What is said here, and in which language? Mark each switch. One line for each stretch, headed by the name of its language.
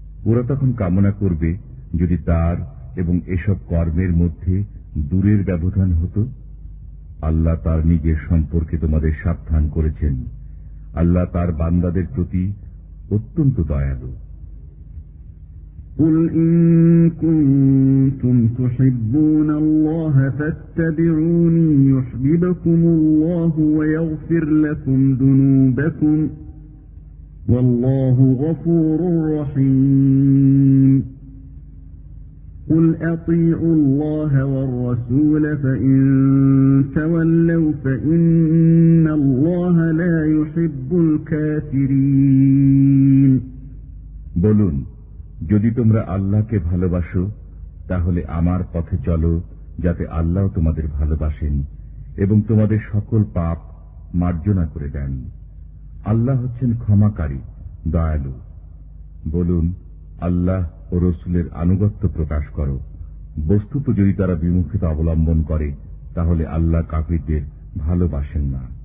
Bangla: ওরা তখন কামনা করবে যদি তার এবং এসব কর্মের মধ্যে দূরের ব্যবধান হতো। আল্লাহ তার নিজের সম্পর্কে তোমাদের সাবধান করেছেন, আল্লাহ তার বান্দাদের প্রতি অত্যন্ত দয়ালু।
Arabic: قل إن كنتم تحبون الله فاتبعوني يحببكم الله ويغفر لكم ذنوبكم والله غفور رحيم. قل أطيعوا الله والرسول فإن تولوا فإن الله لا يحب الكافرين. بلون
Bangla: যদি তোমরা আল্লাহকে ভালোবাসো তাহলে আমার পথে চলো যাতে আল্লাহ তোমাদের ভালোবাসেন এবং তোমাদের সকল পাপ মার্জনা করে দেন। আল্লাহ হচ্ছেন ক্ষমাকারী দয়ালু। বলুন, আল্লাহ ও রসুলের আনুগত্য প্রকাশ করো, বস্তুত যদি তারা বিমুখিতা অবলম্বন করে তাহলে আল্লাহ কাফিরদের ভালোবাসেন না।